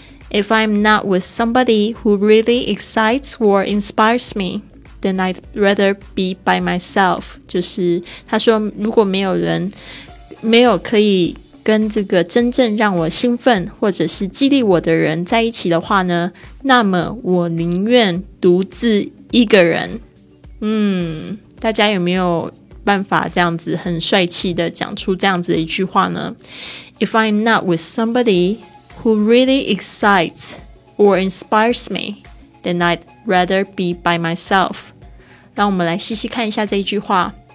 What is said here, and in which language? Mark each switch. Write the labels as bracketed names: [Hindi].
[English] If I'm not with somebody who really excites or inspires me, then I'd rather be by myself. [Chinese] 就是他说，如果没有人，没有可以跟这个真正让我兴奋或者是激励我的人在一起的话呢，那么我宁愿独自一个人。嗯，大家有没有办法这样子很帅气的讲出这样子的一句话呢？ [English] If I'm not with somebody who really excites or inspires me, then I'd rather be by myself. [Chinese] 让我们来细细看一下这一句话。